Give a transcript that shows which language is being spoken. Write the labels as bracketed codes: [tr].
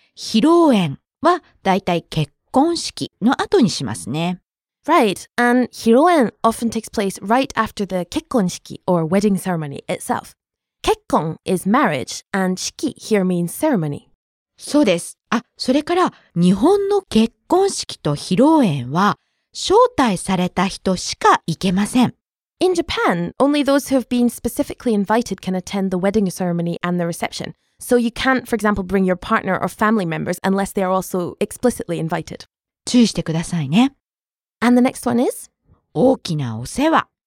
[ja] 披露宴はだいたい結婚式の後にしますね。 [en] Right, and 披露宴 often takes place right after the 結婚式 or wedding ceremony itself. 結婚 is marriage, and 式 here means ceremony. [ja] そうです。あ、それから日本の結婚式と披露宴は招待された人しか行けません。 [en] In Japan, only those who have been specifically invited can attend the wedding ceremony and the reception. So you can't, for example, bring your partner or family members unless they are also explicitly invited. [ja] 注意してくださいね。 [en] And the next one is? [ja] 大きなお世話。